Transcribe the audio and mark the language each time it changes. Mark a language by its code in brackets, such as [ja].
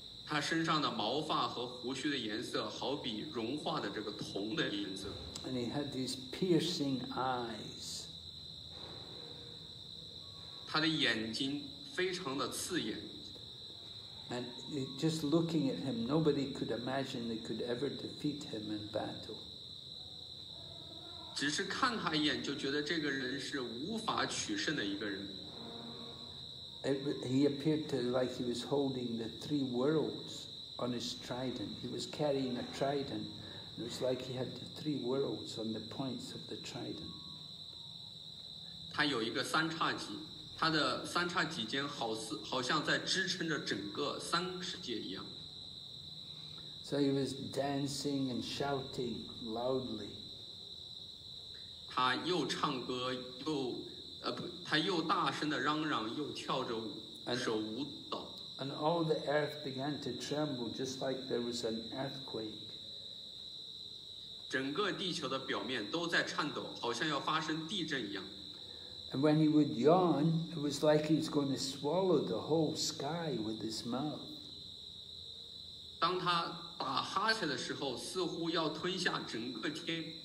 [en] And he had these piercing eyes. And just looking at him, nobody could imagine they could ever defeat him in battle. [zh] 只是看他一眼, 就觉得这个人是无法取胜的一个人。 [en] He appeared to like he was holding the three worlds on his trident. He was carrying a trident. It was like he had the three worlds on the points of the trident. [zh] 他有一个三叉戟, 他的三叉戟间好像在支撑着整个三世界一样。 [en] So he was dancing and shouting loudly. [zh] 他又唱歌又 他又大声地嚷嚷又跳着舞, [en] and all the earth began to tremble just like there was an earthquake. [zh] 整个地球的表面都在颤抖, 好像要发生地震一样。 [en] And when he would yawn, it was like he was going to swallow the whole sky with his mouth. [zh] 当他打哈欠的时候, 似乎要吞下整个天。